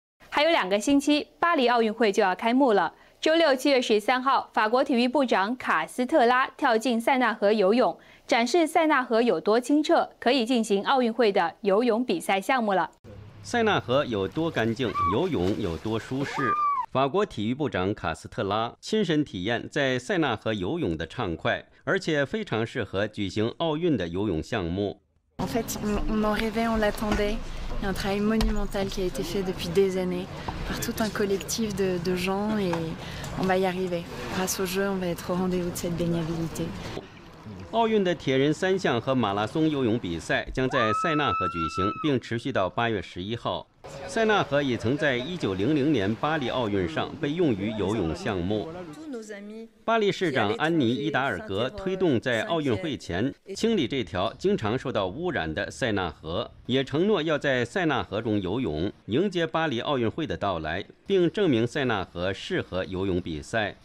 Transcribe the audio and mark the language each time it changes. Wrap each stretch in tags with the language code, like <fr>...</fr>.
<zh>还有两个星期，巴黎奥运会就要开幕了。周六七月十三号，法国体育部长卡斯特拉跳进塞纳河游泳，展示塞纳河有多清澈，可以进行奥运会的游泳比赛项目了。塞纳河有多干净，游泳有多舒适，法国体育部长卡斯特拉亲身体验在塞纳河游泳的畅快，而且非常适合举行奥运的游泳项目。</zh> <fr>En fait, on en rêvait, on l'attendait. Il y a un travail monumental qui a été fait depuis des années par tout un collectif de gens et on va y arriver. Grâce aux Jeux, on va être au rendez-vous de cette baignabilité.</fr> <zh>奥运的铁人三项和马拉松游泳比赛将在塞纳河举行，并持续到8月11号。塞纳河也曾在1900年巴黎奥运上被用于游泳项目。巴黎市长安妮·伊达尔格推动在奥运会前清理这条经常受到污染的塞纳河，也承诺要在塞纳河中游泳，迎接巴黎奥运会的到来，并证明塞纳河适合游泳比赛。</zh>